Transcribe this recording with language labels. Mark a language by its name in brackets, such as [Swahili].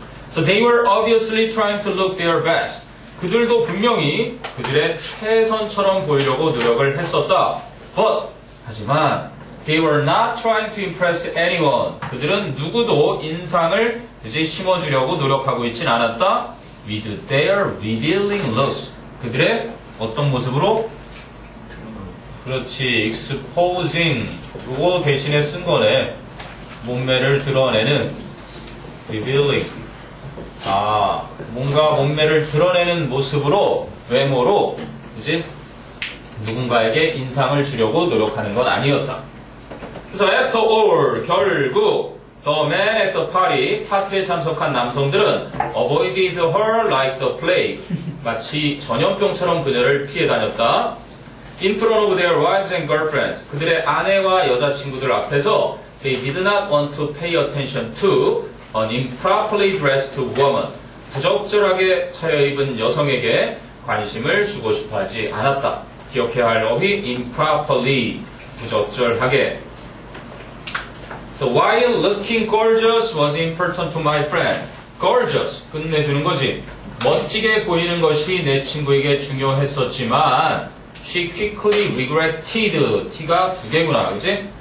[English] So they were obviously trying to look their best. [Korean] 그들도 분명히 그들의 최선처럼 보이려고 노력을 했었다. [English] But, [Korean] 하지만, [English] they were not trying to impress anyone. [Korean] 그들은 누구도 인상을 이제 심어주려고 노력하고 있진 않았다. [English] With their revealing looks. [Korean] 그들의 어떤 모습으로? 그렇지, exposing. 이거 대신에 쓴 거네. 몸매를 드러내는 revealing. 아, 뭔가 몸매를 드러내는 모습으로, 외모로, 그지? 누군가에게 인상을 주려고 노력하는 건 아니었다. 그래서, [English] after all, [Korean] 결국, [English] the man at the party, [Korean] 파티에 참석한 남성들은 [English] avoided her like the plague. [Korean] 마치 전염병처럼 그녀를 피해 다녔다. [English] In front of their wives and girlfriends, [Korean] 그들의 아내와 여자친구들 앞에서 [English] they did not want to pay attention to an improperly dressed woman. [Korean] 부적절하게 차려입은 여성에게 관심을 주고 싶어 하지 않았다. 기억해야 할 어휘, improperly, 부적절하게. [English] So while looking gorgeous was important to my friend. [Korean] Gorgeous, 끝내주는 거지. 멋지게 보이는 것이 내 친구에게 중요했었지만 [English] she quickly regretted, [Korean] t가 두 개구나, 그지?